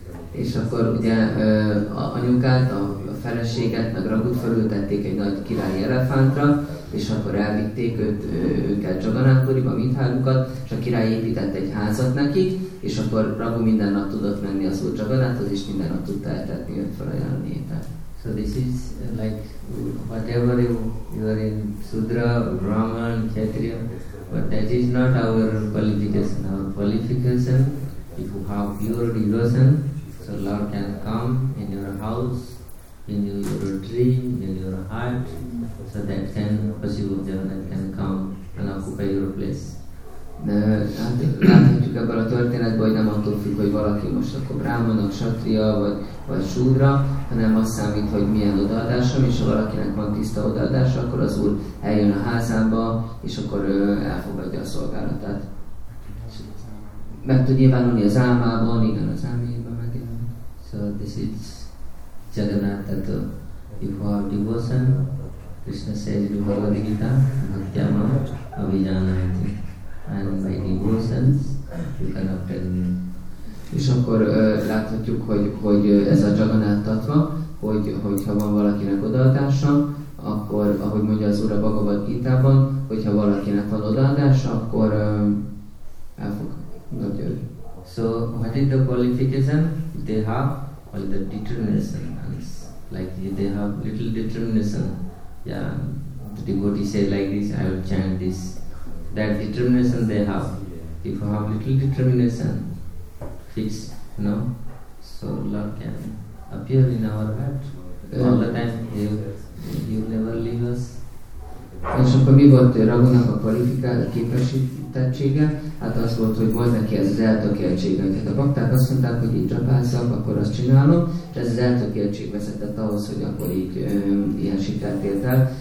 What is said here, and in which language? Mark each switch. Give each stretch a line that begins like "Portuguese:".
Hungarian: És akkor ugye anyukát, a feleséget, meg Raghut felültették egy nagy királyi elefántra, és akkor elvitték őket Jagannath Puriba, mindhármukat, és a király épített egy házat nekik, és akkor Raghu minden nap tudott menni az Úr Jagannáthoz, és minden nap tudta eltetni őt felajánlni ételt.
English: So this is like whatever you are in Sudra, Brahman, Kshatriya, but that is not our qualification. Our qualification, if you have pure devotion, so Lord can come in your house, in your dream, in your heart, so that then Pashivu Jagannath can come and occupy your place.
Hungarian: De hát láthatjuk ebből a történetből, hogy nem attól függ, hogy valaki most akkor brámanok, satria vagy súdra, hanem azt számít, hogy milyen odaadásom, és ha valakinek van tiszta odaadása, akkor az Úr eljön a házába, és akkor ő elfogadja a szolgálatát. Meg tud nyilvánulni az álmában, igen, az álmában megjelen.
English: So this is Jagannath, that if you have devotion, Krishna says in Bhagavad Gita, Bhaktyama, Abhijanayati. And by devotions, you can obtain
Hungarian: És akkor láthatjuk, hogy ez a Jagannath Tattva, hogyha van valakinek odaadása, akkor, ahogy mondja az Úr a Bhagavad Gita-ban, hogyha valakinek van odaadása, akkor el fog nagyörni.
English: So, what is the qualification they have? Well, the determination. Like, they have little determination. Yeah, the devotee say like this, I will chant this. That determination they have. If you have little determination, fixed, you know, so Lord can appear in our heart all the time. You never leave us.
Hungarian: És akkor mi volt Ragunak a kvalifikáció, a képesítettsége? Hát az volt, hogy volt neki ez az eltökéltsége. Tehát a bakták azt mondták, hogy így csapászok, akkor azt csinálom, és ez az eltökéltség vezetett ahhoz, hogy akkor így ilyen sikert ért el.